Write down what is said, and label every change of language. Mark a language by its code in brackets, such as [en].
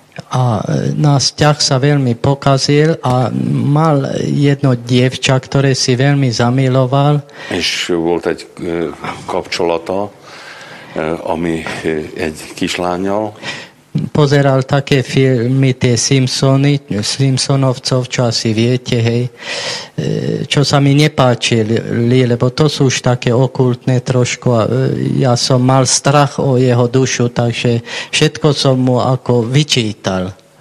[sk] A náš vzťah sa veľmi pokazil a mal jedno dievča, ktoré si veľmi zamiloval. [hu] És volt egy kapcsolata, ami egy kislányal. [sk] Pozeral také filmy, tie Simpsony, Simpsonovcov, čo asi viete, hej, čo sa mi nepáčili, lebo to sú už také okultné trošku a ja som mal strach o jeho dušu, takže všetko som mu ako vyčítal.